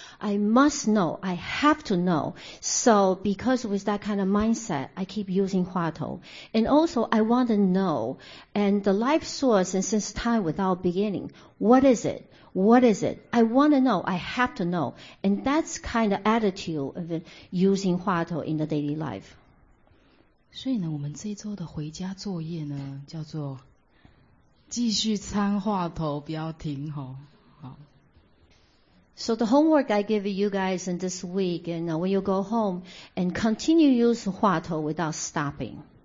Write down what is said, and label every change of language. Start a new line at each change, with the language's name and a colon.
English: I must know. I have to know. So, because with that kind of mindset, I keep using 话头. And also, I want to know. And the life source, and since time without beginning, what is it? What is it? I want to know. I have to know. And that's kind of attitude of using 话头 in the daily life.
Chinese: 所以呢，我们这一周的回家作业呢，叫做继续参话头，不要停哦。
English: So the homework I give you guys in this week, and when you go home, and continue use 话头 without stopping.